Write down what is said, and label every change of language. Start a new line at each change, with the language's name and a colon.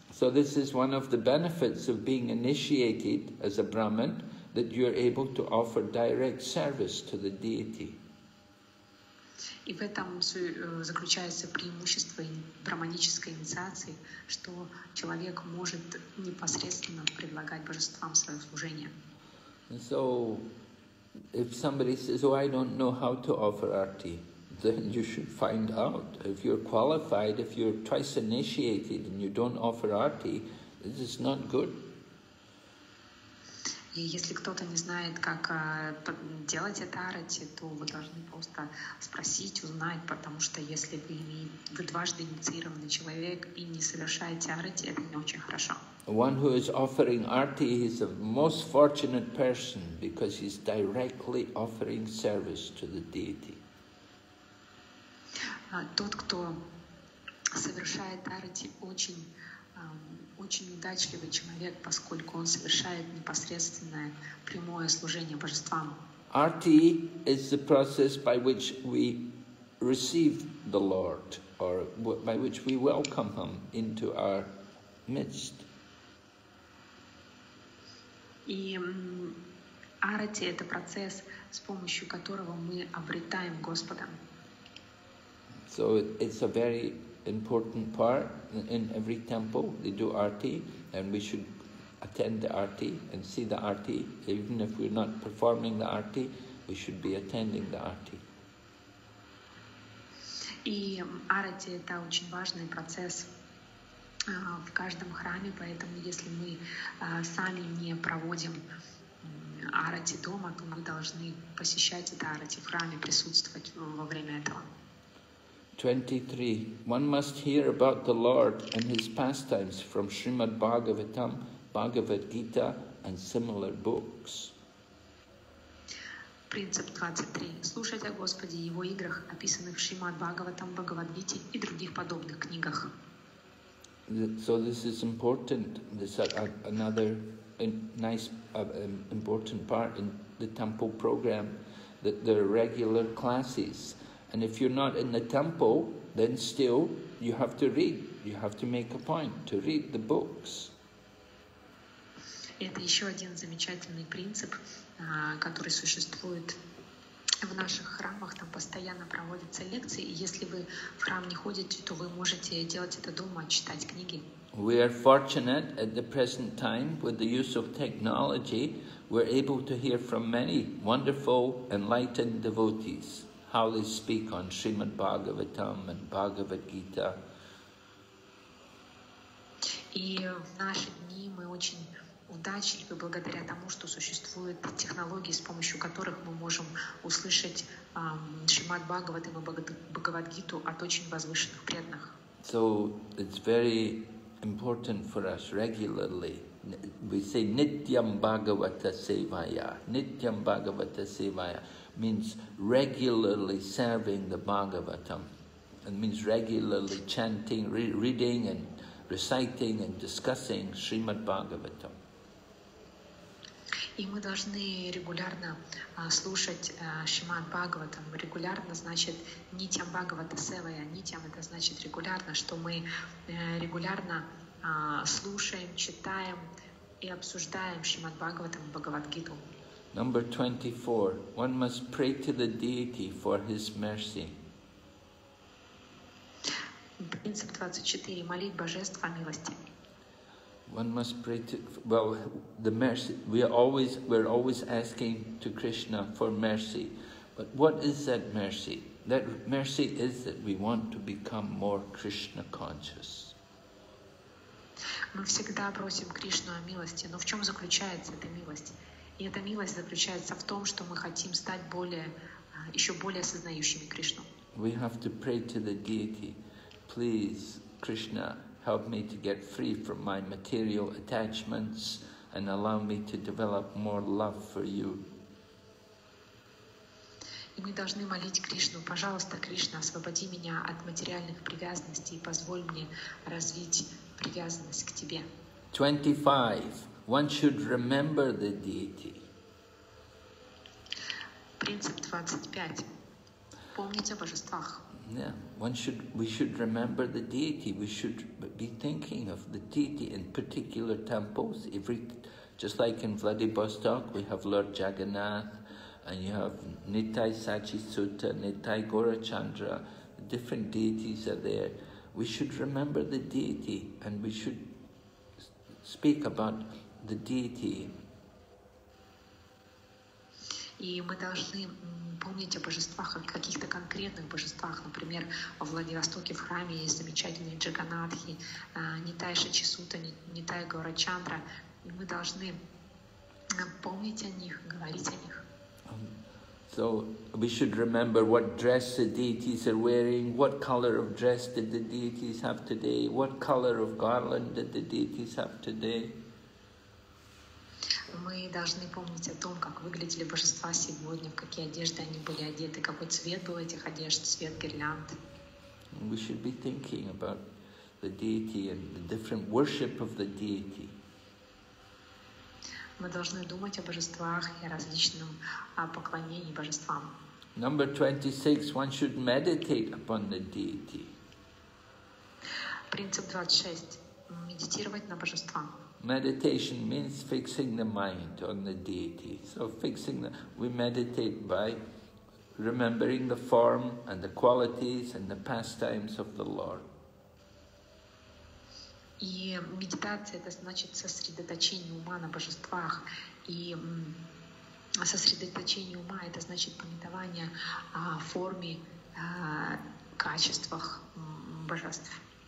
English: So this is one of the benefits of being initiated as a brahman, that you are able to offer direct service to the deity.
Russian: И в этом заключается преимущество браманической инициации, что человек может непосредственно предлагать божествам свое служение.
English: And so, if somebody says, "Oh, I don't know how to offer arti," then you should find out. If you're qualified, if you're twice initiated and you don't offer arti, this is not good.
Russian: И если кто-то не знает, как делать это арати, то вы должны просто спросить, узнать, потому что если вы дважды инициированный человек и не совершаете арати, это не очень хорошо.
English: One who is offering arti is the most fortunate person because he's directly offering service to the deity.
Russian: Тот, кто совершает арати, очень удачливый человек, поскольку он совершает непосредственное прямое служение божествам.
English: Arti is the process by which we receive the Lord, or by which we welcome Him into our midst.
Russian: И арати — это процесс, с помощью которого мы обретаем Господа.
English: So it's a very important part in every temple. They do arti, and we should attend the arti and see the arti. Even if we're not performing the arti, we should be attending the arti.
Russian: И арати — это очень важный процесс в каждом храме, поэтому если мы сами не проводим арати дома, то мы должны посещать это арати в храме, присутствовать во время этого.
English: 23. One must hear about the Lord and His pastimes from Srimad Bhagavatam, Bhagavad Gita, and similar books.
Russian: Принцип 23. Слушать о Господе и Его играх, описанных в Шримад Бхагаватам, Бхагавадгите и других подобных книгах.
English: So this is important. This is another nice, important part in the temple program, that there are regular classes. And if you're not in the temple, then still you have to read. You have to make a point to read the books.
Russian: Это еще один замечательный принцип, который существует в наших храмах. Там постоянно проводятся лекции. И если вы в храм не ходите, то вы можете делать это дома, читать книги.
English: We are fortunate at the present time with the use of technology, we're able to hear from many wonderful enlightened devotees. How they speak on Srimad Bhagavatam and Bhagavad Gita.
Russian: И в наши дни мы очень удачливы благодаря тому, что существуют технологии, с помощью которых мы можем услышать Шримад Бхагаватам и Бхагавад Гиту от очень возвышенных преданных.
English: So it's very important for us regularly. We say Nityam Bhagavata Sevaya. Nityam Bhagavata Sevaya means regularly serving the Bhagavatam. It means regularly chanting, reading and reciting and discussing Srimad Bhagavatam.
Russian: И мы должны регулярно слушать Шримад Бхагаватам. Регулярно значит нитям Бхагавата севая, нитям это значит регулярно, что мы регулярно слушаем, читаем и обсуждаем Шримад Бхагаватам и Бхагавадгиту.
English: Number 24. One must pray to the deity for his mercy.
Russian: Принцип 24. Молить Божество о милости.
English: One must pray to, well, the mercy, we're always asking to Krishna for mercy. But what is that mercy? That mercy is that we want to become more Krishna conscious.
Russian: Мы всегда просим Кришну о милости, но в чем заключается эта милость? И эта милость заключается в том, что мы хотим стать более, еще более осознающими Кришну.
English: We have to pray to the deity, please, Krishna, help me to get free from my material attachments and allow me to develop more love for you.
Russian: И мы должны молить Кришну, пожалуйста, Кришна, освободи меня от материальных привязанностей и позволь мне развить привязанность к тебе.
English: 25. One should remember the deity.
Russian: Принцип 25. Помнить о божествах.
English: Yeah, we should remember the deity. We should be thinking of the deity in particular temples. Every, just like in Vladivostok, we have Lord Jagannath, and you have Nittai Sachi Sutta, Nittai Gaurachandra. Different deities are there. We should remember the deity, and we should speak about the deity.
Russian: И мы должны помнить о божествах, о каких-то конкретных божествах. Например, во Владивостоке в храме есть замечательные джаганатхи, Нитай Шачисута, Нитай Гаурачандра. И мы должны помнить о них, говорить о них.
English: So we should remember what dress the deities are wearing, what color of dress did the deities have today, what color of garland did the deities have today.
Russian: Мы должны помнить о том, как выглядели божества сегодня, в какие одежды они были одеты, какой цвет был этих одежд, цвет гирлянд.
English: We should be thinking about the deity and the different worship of the deity.
Russian: Мы должны думать о божествах и различном поклонении божествам.
English: Number 26. One should meditate upon the deity.
Russian: Принцип 26. Медитировать на божества.
English: Meditation means fixing the mind on the deity. So fixing the, we meditate by remembering the form and the qualities and the pastimes of the Lord.
Russian: И медитация это значит сосредоточение ума на божествах. И сосредоточение ума это значит памятование о форме, качествах божеств.